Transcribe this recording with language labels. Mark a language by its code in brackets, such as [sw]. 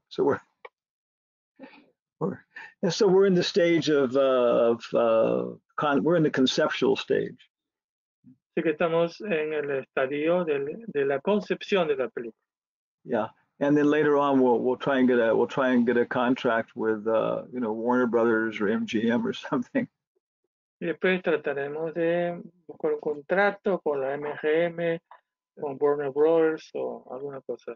[en] So we're in the stage of, we're in the conceptual stage. [es] Así que estamos en el estadio de la concepción de la película. [en] Yeah, and then later on we'll try and get a contract with Warner Brothers or MGM or something. [es] Y después trataremos de buscar un contrato con la MGM, con Warner Brothers o alguna cosa.